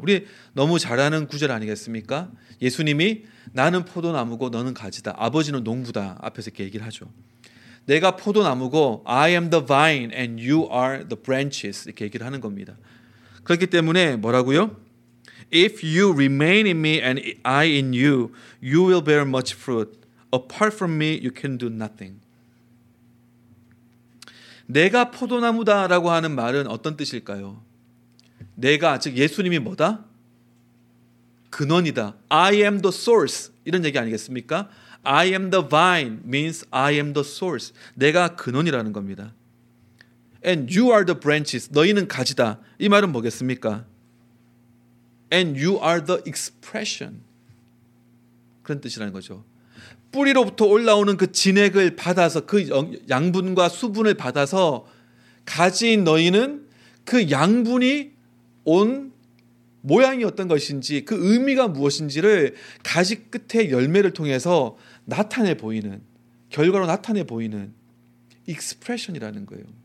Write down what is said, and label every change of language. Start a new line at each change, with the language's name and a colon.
Korean: 우리 너무 잘하는 구절 아니겠습니까? 예수님이 나는 포도나무고 너는 가지다. 아버지는 농부다. 앞에서 이렇게 얘기를 하죠. 내가 포도나무고
English: I am the vine and you are the branches
Korean: 이렇게 얘기를 하는 겁니다. 그렇기 때문에 뭐라고요?
English: If you remain in me and I in you, you will bear much fruit. Apart from me, you can do nothing.
Korean: 내가 포도나무다라고 하는 말은 어떤 뜻일까요? 내가 즉 예수님이 뭐다? 근원이다.
English: I am the source
Korean: 이런 얘기 아니겠습니까?
English: I am the vine means I am the source.
Korean: 내가 근원이라는 겁니다.
English: And you are the branches.
Korean: 너희는 가지다. 이 말은 뭐겠습니까?
English: And you are the expression.
Korean: 그런 뜻이라는 거죠. 뿌리로부터 올라오는 그 진액을 받아서 그 양분과 수분을 받아서 가지인 너희는 그 양분이 온 모양이 어떤 것인지 그 의미가 무엇인지를 가지 끝에 열매를 통해서 나타내 보이는 결과로 나타내 보이는 익스프레션이라는 거예요.